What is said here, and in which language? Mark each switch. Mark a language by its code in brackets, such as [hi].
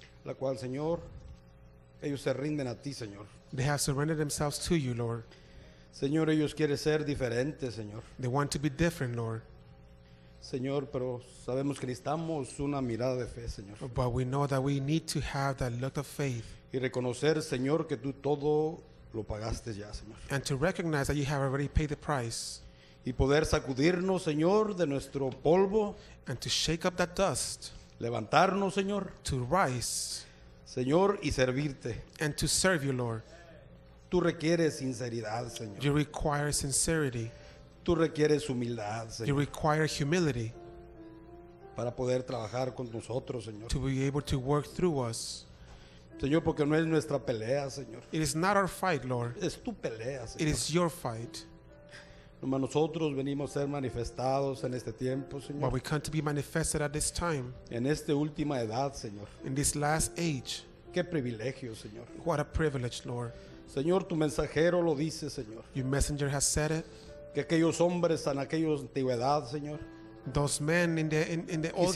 [es] La cual, Señor, ellos se rinden a ti, Señor. [en] They have surrendered themselves to you, Lord. [es] Señor, ellos quieren ser diferentes, Señor. [en] They want to be different, Lord. [es] Señor, pero sabemos que necesitamos una mirada de fe, Señor. [en] But we know that we need to have that look of faith. [es] Y reconocer, Señor, que tú todo lo pagaste ya, Señor. [en] And to recognize that you have already paid the price. [es] Y poder sacudirnos, Señor, de nuestro polvo. [en] And to shake up that dust. [es] Levantarnos, Señor. [en] To rise. [es] Señor, y servirte. [en] And to serve you, Lord. [es] Tú requieres sinceridad, Señor. [en] You require sincerity. [es] Tú requieres humildad, Señor. [en] You require humility. [es] Para poder trabajar con nosotros, Señor. [en] To be able to work through us. [es] Señor, porque no es nuestra pelea, Señor. [en] It is not our fight, Lord. [es] Es tu pelea, Señor. [en] It is your fight. [es] Nosotros venimos a ser manifestados en este tiempo, Señor. [en] But we come to be manifested at this time. [es] En esta última edad, Señor. [en] In this last age. [es] Qué privilegio, Señor. [en] What a privilege, Lord. [es] Señor, tu mensajero lo dice, Señor. [en] Your messenger has said it. [es] Que aquellos hombres en aquella antigüedad, Señor. [en] Those men in the old times.